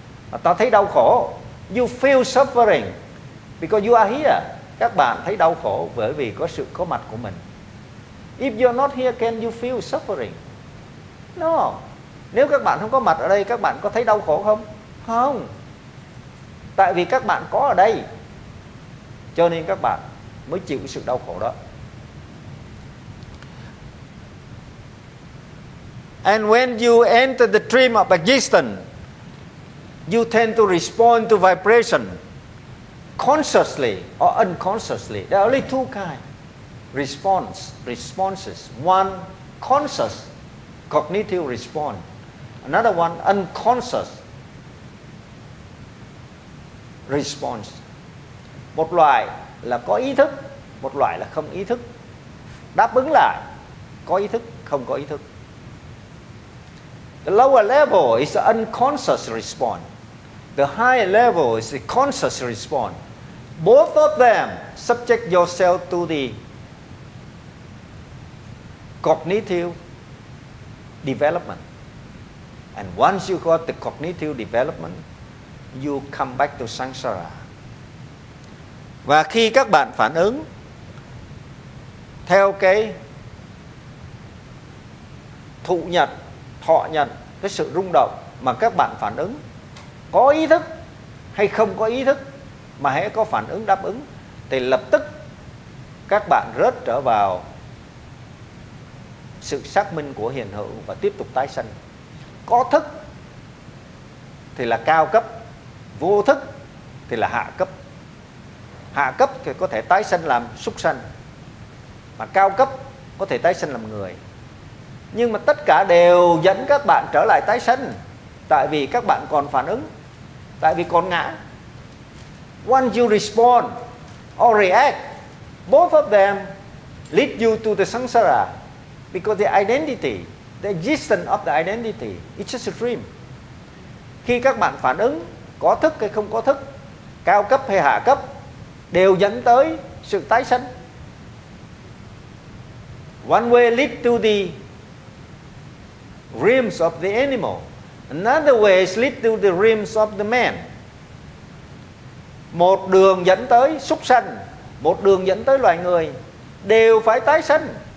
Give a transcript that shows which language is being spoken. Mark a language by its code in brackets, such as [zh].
[vi] Và ta thấy đau khổ. [en] You feel suffering because you are here. [vi] Các bạn thấy đau khổ bởi vì có sự có mặt của mình. [en] If you're not here, can you feel suffering? No. [vi] Nếu các bạn không có mặt ở đây, các bạn có thấy đau khổ không? Không. Tại vì các bạn có ở đây, cho nên các bạn mới chịu sự đau khổ đó. [en] And when you enter the dream of existence, you tend to respond to vibration consciously or unconsciously. There are only two kinds. Responses. One, conscious, cognitive response. Another one, unconscious response. [vi] Một loại là có ý thức, một loại là không ý thức. Đáp ứng lại, có ý thức, không có ý thức. [en] The lower level is the unconscious response. The higher level is the conscious response. Both of them subject yourself to the cognitive development. And once you got the cognitive development, you come back to samsara. [vi] Và khi các bạn phản ứng theo cái thụ nhận, thọ nhận, cái sự rung động mà các bạn phản ứng có ý thức hay không có ý thức, mà hãy có phản ứng đáp ứng, thì lập tức các bạn rớt trở vào sự xác minh của hiện hữu và tiếp tục tái sanh. Có thức thì là cao cấp, vô thức thì là hạ cấp. Hạ cấp thì có thể tái sanh làm súc sanh, mà cao cấp có thể tái sanh làm người. Nhưng mà tất cả đều dẫn các bạn trở lại tái sanh, tại vì các bạn còn phản ứng, tại vì còn ngã. [en] Once you respond or react, both of them lead you to the samsara, because the identity, the existence of the identity, it's just a dream. [vi] Khi các bạn phản ứng, có thức hay không có thức, cao cấp hay hạ cấp, đều dẫn tới sự tái sanh. [en] One way lead to the realms of the animal, another way is lead to the realms of the man. [vi] Một đường dẫn tới súc sanh, một đường dẫn tới loài người, đều phải tái sanh.